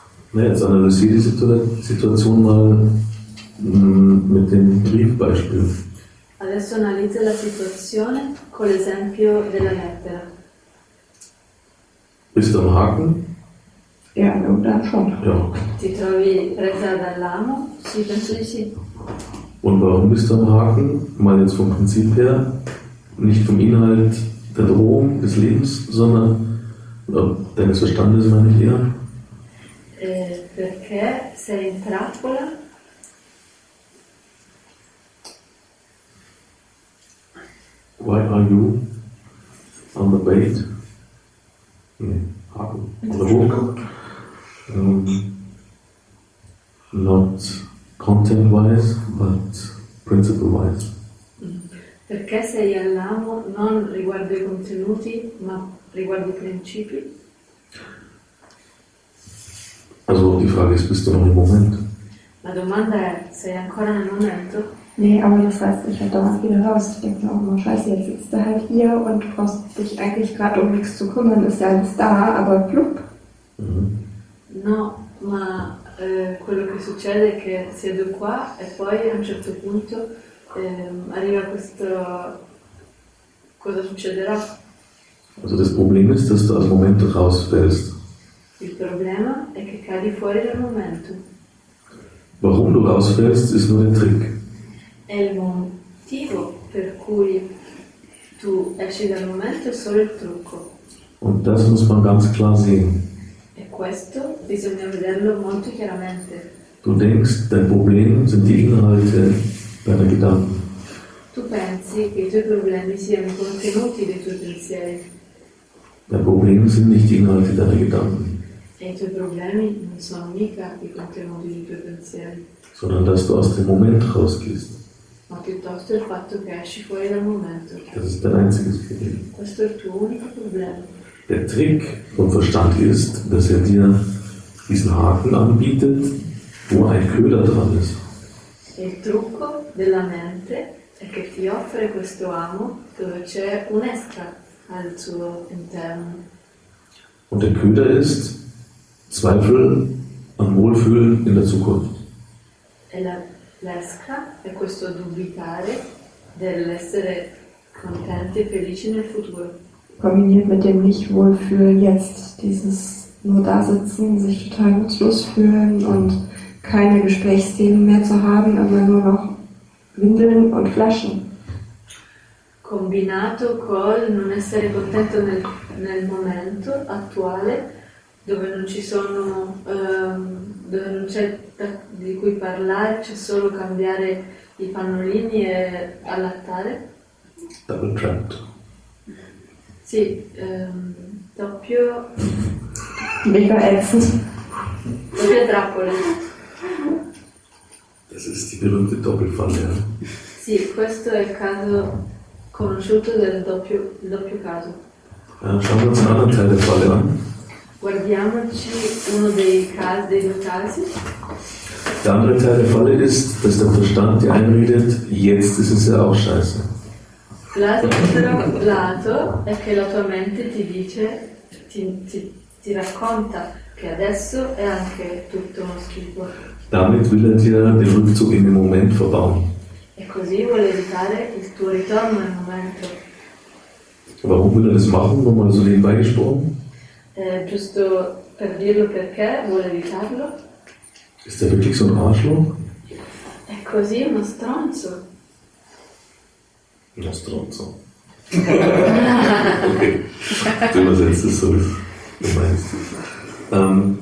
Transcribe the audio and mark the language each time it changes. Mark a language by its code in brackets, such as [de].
[de] Ja, jetzt analysiere die Situation mal mit dem Briefbeispiel. [it] Adesso analizza la situazione con l'esempio della lettera. [de] Bist du am Haken? Ja, dann schon. Ja. [it] Ti trovi presa dall'amo? Sì, penso di sì. [de] Und warum bist du am Haken? Mal jetzt vom Prinzip her, nicht vom Inhalt der Drohung des Lebens, sondern Deines Verstandes meine ich eher. [it] Perché sei in trappola? [en] Why are you on the bait? Haken. On the hook. Not content wise, but principle wise. [it] Perché sei all'amo non riguardo i contenuti, ma riguardo i principi? [de] Also die Frage ist, bist du noch im Moment? [it] La domanda è, sei ancora nel momento? [de] Nee, aber das heißt, ich hätte auch wieder raus. Ich denke mir auch immer, scheiße, jetzt sitzt du halt hier und brauchst dich eigentlich gerade um nichts zu kümmern, ist ja alles da, aber plupp. Mhm. [it] No, ma quello che succede è che siedo qua e poi a un certo punto arriva questo, cosa succederà? [de] Also das Problem ist, dass du [it] al momento [de] rausfällst. [it] Il problema è che cadi fuori dal momento. [de] Warum du rausfällst, ist nur ein Trick. [it] E il motivo per cui tu esci dal momento è solo il trucco. [de] Und das muss man ganz klar sehen. [it] E questo bisogna vederlo molto chiaramente. [de] Du denkst, dein Problem sind die Inhalte deiner Gedanken. [it] Tu pensi che i tuoi problemi siano i contenuti dei tuoi pensieri. [de] Dein Problem sind nicht die Inhalte deiner Gedanken. [it] E i tuoi problemi non sono mica i contenuti dei tuoi pensieri. [de] Sondern dass du aus dem Moment rausgehst. [it] Ma piuttosto il fatto che esci fuori dal momento. [de] Das ist dein einziges Problem. [it] Questo è il tuo unico problema. [de] Der Trick vom Verstand ist, dass dir diesen Haken anbietet, wo ein Köder dran ist. [it] E il trucco della mente è che ti offre questo amo dove c'è un'esca al suo interno. [de] Und der Köder ist Zweifel am Wohlfühlen in der Zukunft. [it] E la l'esca è questo dubitare dell'essere contenti e felici nel futuro. [de] Kombiniert mit dem nicht wohlfühlen jetzt, dieses nur da sitzen, sich total nutzlos fühlen und keine Gesprächsthemen mehr zu haben, aber nur noch Windeln und Flaschen. [it] Combinato col non essere contento nel momento attuale, dove non ci sono, dove non c'è di cui parlare, c'è solo cambiare i pannolini e allattare. [en] Double trapped. [it] Sì, doppio. [de] Mega ätzend. [it] Doppia trappola. [de] Das ist die berühmte Doppelfalle. [it] Sì, questo è il caso conosciuto del doppio caso. [de] Schauen wir uns einen anderen Teil der Falle an. [it] Guardiamoci uno dei due casi. [de] Der andere Teil der Falle ist, dass der Verstand dir einredet, jetzt ist es ja auch scheiße. [it] L'altro lato è che la tua mente ti dice, ti racconta che adesso è anche tutto uno schifo. [de] Damit will er dir den Rückzug in den Moment verbauen. [it] E così vuole evitare il tuo ritorno nel momento. [de] Warum will er das machen, nochmal so nebenbei gesprochen? [it] Giusto per dirlo perché vuole evitarlo. [de] Ist er wirklich so ein Arschloch? [it] È così uno stronzo. Uno stronzo. Okay. [de] Du übersetzt es so, wie du meinst.